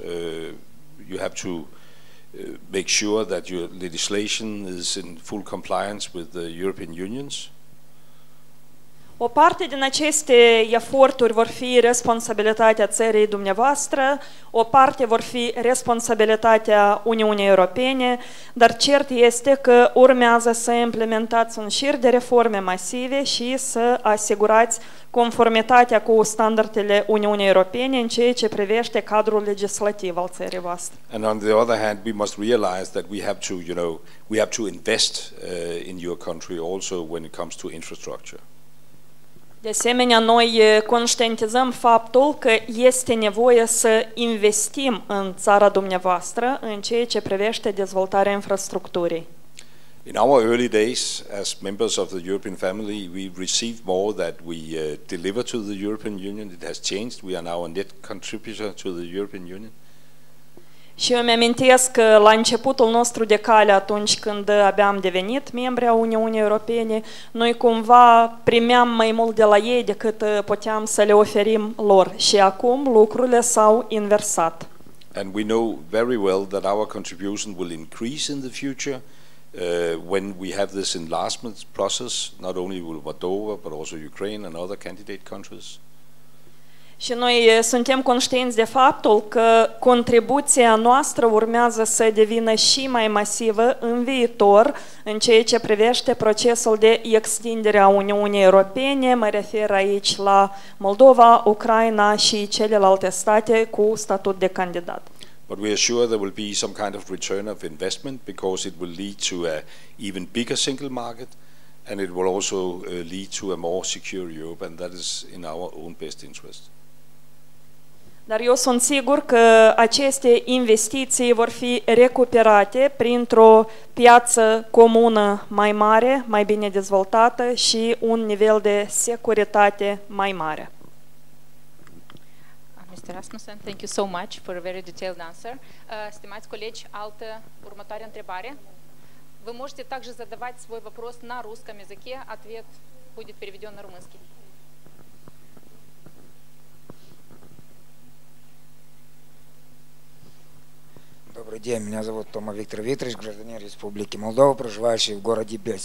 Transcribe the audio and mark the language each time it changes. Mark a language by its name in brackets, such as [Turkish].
[English] You have to make sure that your legislation is in full compliance with the European Union's. [Romanian] O parte din aceste eforturi vor fi responsabilitatea țării dumneavoastră, o parte vor fi responsabilitatea Uniunii Europene, dar cert este că urmează să implementați un șir de reforme masive și să asigurați conformitatea cu standardele Uniunii Europene în ceea ce privește cadrul legislativ al țării voastre. [English] And on the other hand, we must realize that we have to, you know, we have to invest in your country also when it comes to infrastructure. [Romanian] De asemenea, noi conștientizăm faptul că este nevoie să investim în țara dumneavoastră în ceea ce privește dezvoltarea infrastructurii. [English] In our early days, as members of the European family, we received more than we deliver to the European Union. It has changed. We are now a net contributor to the European Union. [Romanian] Și eu mi-amintesc că la începutul nostru de cale, atunci când abia am devenit membri a Uniunii Europene, noi cumva primeam mai mult de la ei decât puteam să le oferim lor. Și acum lucrurile s-au inversat. [English] And we know very well that our contribution will increase in the future when we have this enlargement process, not only with Moldova, but also Ukraine and other candidate countries. [Romanian] Și noi suntem conștienți de faptul că contribuția noastră urmează să devină și mai masivă în viitor în ceea ce privește procesul de extindere a Uniunii Europene. Mă refer aici la Moldova, Ucraina și celelalte state cu statut de candidat. [English] But we are sure there will be some kind of return of investment because it will lead to an even bigger single market, and it will also lead to a more secure Europe, and that is in our own best interest. [Romanian] Dar eu sunt sigur că aceste investiții vor fi recuperate printr-o piață comună mai mare, mai bine dezvoltată și un nivel de securitate mai mare. [English] Mr. Rasmussen, thank you so much for a very detailed answer. [Romanian] Stimați colegi, altă următoare întrebare. [Russian] Вы можете также задавать свой вопрос на русском языке, ответ будет переведен на румынский. Добрый день, меня зовут Тома Виктор Викторович, гражданин Республики Молдова, проживающий в городе Бельц.